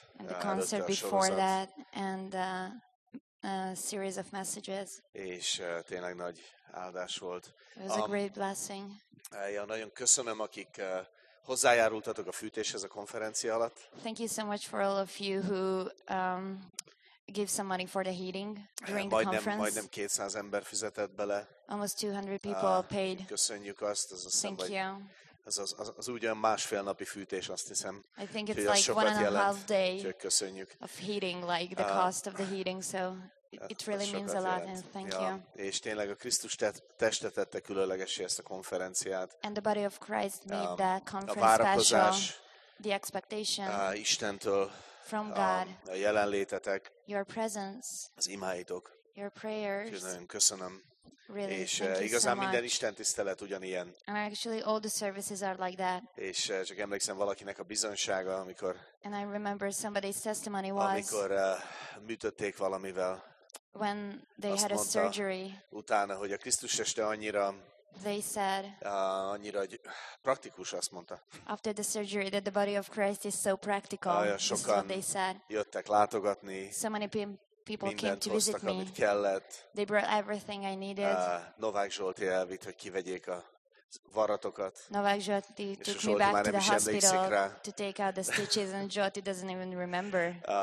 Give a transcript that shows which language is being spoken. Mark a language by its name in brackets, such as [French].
[English] and the concert before that, and a series of messages. [Hungarian] És tényleg nagy áldás volt. [English] It was a great blessing. [Hungarian] Ja, nagyon köszönöm, akik hozzájárultatok a fűtéshez a konferencia alatt. [English] Thank you so much for all of you who give some money for the heating during the conference. [Hungarian] Majdnem 200 ember fizetett bele. [English] Almost 200 people paid. [Hungarian] Köszönjük azt, az a szemben. [English] Thank you. [Hungarian] Az úgy olyan másfél napi fűtés, azt hiszem. [English] I think it's like one and a half day. [Hungarian] Köszönjük. [English] Of heating, like the cost of the heating, so it really means a lot, and thank you. [Hungarian] És tényleg a Krisztus testet tette különlegessé ezt a konferenciát. [English] And the body of Christ made the conference special. The expectation. [Hungarian] Istentől. [English] From God. [Hungarian] A jelenlétetek. [English] Your presence. [Hungarian] Az imáitok. [English] Your prayers. [Hungarian] És nagyon köszönöm. [English] Really, [Hungarian] és igazán so minden istentisztelet ugyanilyen. [English] And actually all the services are like that. [Hungarian] És csak emlékszem valakinek a bizonysága, amikor. [English] And I remember somebody's testimony was. [Hungarian] Amikor műtötték valamivel. [English] When they had a surgery. [Hungarian] Utána, hogy a Krisztus este annyira. [English] They said. [Hungarian] Annyira praktikus, azt mondta. [English] After the surgery, that the body of Christ is so practical. [Hungarian] Nagyon sokan [English] they said. [Hungarian] Jöttek látogatni. [English] So many people came to visit [Hungarian] hoztak, [English] me. [Hungarian] Amit kellett. [English] They brought everything I needed. [Hungarian] Novák Zsolti elvitt, hogy kivegyék a varatokat. [English] Novák Zsolti took me back to the hospital to take out the stitches, and Zsolti doesn't even remember.